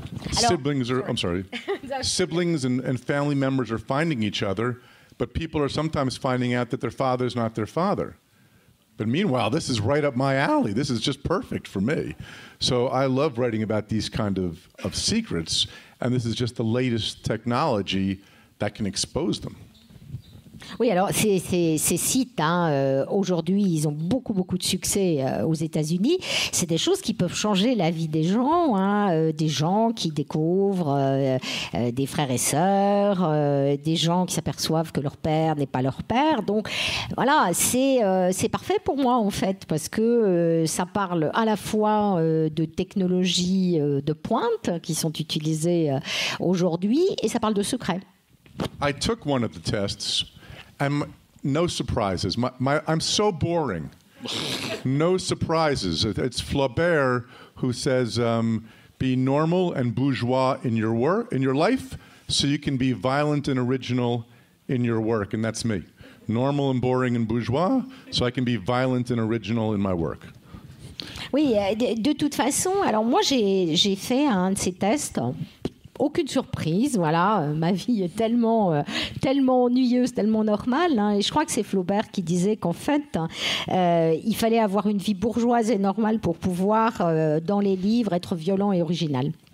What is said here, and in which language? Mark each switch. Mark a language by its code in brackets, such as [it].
[en] Siblings and family members are finding each other, but people are sometimes finding out that their father's not their father. But meanwhile, this is right up my alley. This is just perfect for me. So I love writing about these kind of secrets, and this is just the latest technology that can expose them. [fr] Oui, alors ces sites, hein, aujourd'hui, ils ont beaucoup de succès aux États-Unis. C'est des choses qui peuvent changer la vie des gens, hein, des gens qui découvrent des frères et sœurs, des gens qui s'aperçoivent que leur père n'est pas leur père. Donc voilà, c'est parfait pour moi en fait, parce que ça parle à la fois de technologies de pointe qui sont utilisées aujourd'hui et ça parle de secrets. [en] I took one of the tests. No surprises. I'm so boring. No surprises. It's Flaubert who says, "Be normal and bourgeois in your work, in your life, so you can be violent and original in your work." And that's me. Normal and boring and bourgeois, so I can be violent and original in my work. [fr] Oui, de toute façon. Alors moi, j'ai fait un de ces tests. Aucune surprise, voilà, ma vie est tellement ennuyeuse, tellement normale, hein. Et je crois que c'est Flaubert qui disait qu'en fait, il fallait avoir une vie bourgeoise et normale pour pouvoir, dans les livres, être violent et original.